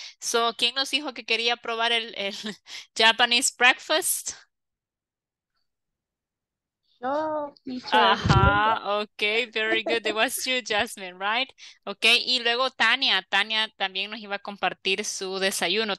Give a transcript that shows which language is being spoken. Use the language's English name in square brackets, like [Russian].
[Spanish] So, ¿quién nos dijo que quería probar el Japanese breakfast? [English] Okay, very good. It was you, Jasmine, right? [Spanish] Okay, y luego Tania también nos iba a compartir su desayuno.